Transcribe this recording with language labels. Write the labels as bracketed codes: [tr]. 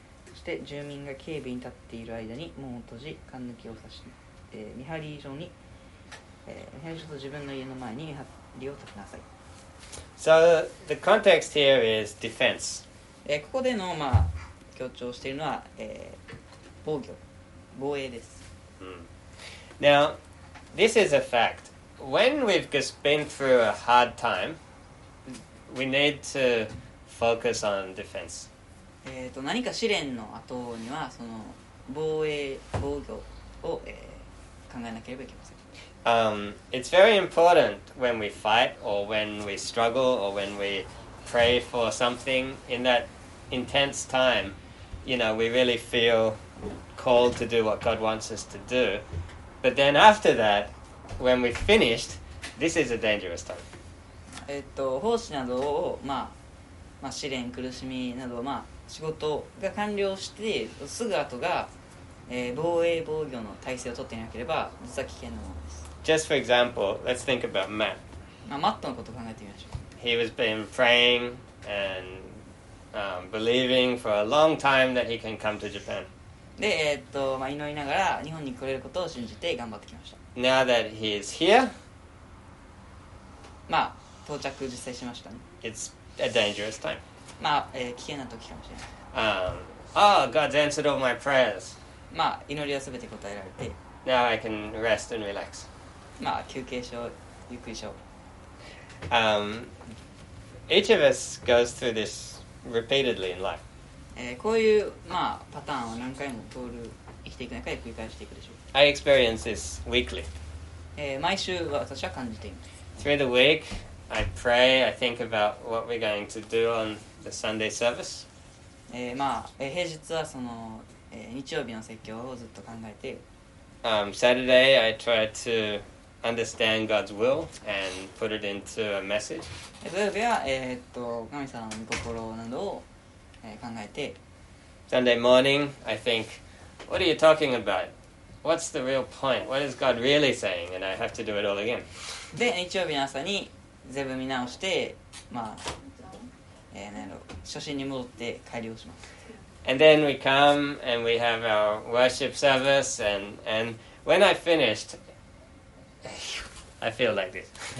[ja] そして住民が警備に立っている間に門を閉じ、勘抜きを刺し、見張り所に、見張り所と自分の家の前に見張りを立てなさい。 [en] So, the context here is defense. [ja] ここでの、まあ、強調しているのは、防御、防衛です。 [en] Now, this is a fact. When we've just been through a hard time, we need to focus on defense. [ja] 何か試練の後にはその防衛、防御を、考えなければいけません。 [en] It's very important when we fight or when we struggle or when we pray for something in that intense time, you know, we really feel called to do what God wants us to do. But then after that, when we've finished, this is a dangerous time. [ja] 奉仕などを、まあ、まあ試練、苦しみなどをまあ仕事が完了してすぐ後が、防衛防御の体制を取っていなければ実は危険なものです。 [en] Just for example, let's think about Matt. [ja] まあ、マットのことを考えてみましょう。 [en] He has been praying and believing for a long time that he can come to Japan. [ja] で、まあ、祈りながら日本に来れることを信じて頑張ってきました。 [en] Now that he is here, [ja] まあ到着実際しましたね。 [en] It's a dangerous time. [ja] まあ危険な時かもしれない。 [en] Oh, God's answered all my prayers. [ja] まあ祈りはすべて答えられて。 [en] Now I can rest and relax. [ja] まあ休憩しよう、ゆっくりしよう。 [en] Each of us goes through this repeatedly in life. [ja] こういうまあパターンを何回も通る生きていく中で繰り返していくでしょう。 [en] I experience this weekly. [ja] 毎週は私は感じています。 [en] Through the week, I pray. I think about what we're going to do on. The Sunday service. [ja] まあ平日はその、日曜日の説教をずっと考えて。 [en] Saturday I try to understand God's will and put it into a message. [ja] 土曜日は神様の御心などを、考えて。 [en] Sunday morning I think, what are you talking about? What's the real point? What is God really saying? And I have to do it all again. [ja] で日曜日の朝に全部見直して、まあ。初心に戻って改良します。 [en] And then we come and we have our worship service and when I finished, I feel like this.